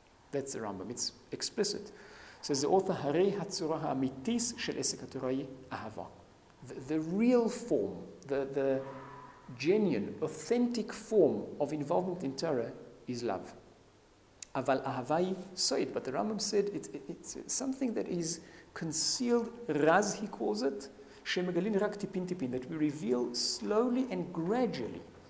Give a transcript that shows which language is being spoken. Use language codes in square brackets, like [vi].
[en] That's the Rambam. It's explicit. So the author, [he] הרי הצורה האמיתית של עסק התורה היא אהבה. [en] The real form, the genuine, authentic form of involvement in Torah is love. [he] אבל אהבה היא סויד, [en] but the Rambam said it's something that is concealed, רז, he calls it, [he] Shemegalin rak tipin tipin, [en] that we reveal slowly and gradually.